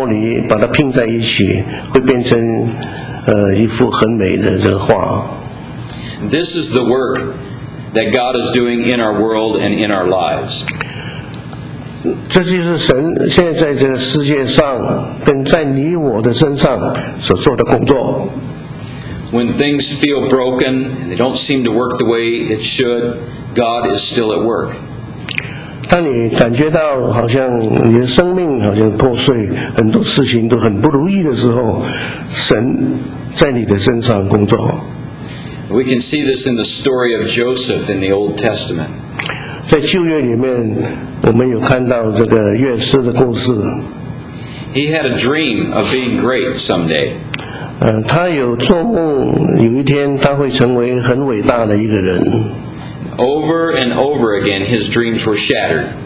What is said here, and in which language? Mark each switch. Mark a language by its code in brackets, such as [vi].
[zh] 很多破碎的玻璃把它拼在一起，会变成。 [en] This is the work that God is doing in our world and in our lives. [zh] 这就是神现在这个世界上跟在你我的身上所做的工作。 [en] When things feel broken and they don't seem to work the way it should, God is still at work. [zh] 当你感觉到好像你的生命好像破碎，很多事情都很不如意的时候，神 [en] We can see this in the story of Joseph in the Old Testament. [zh] 在旧约里面，我们有看到这个约瑟的故事。 [en] He had a dream of being great someday. [zh] 他有做梦，有一天他会成为很伟大的一个人。 [en] Over and over again, his dreams were shattered.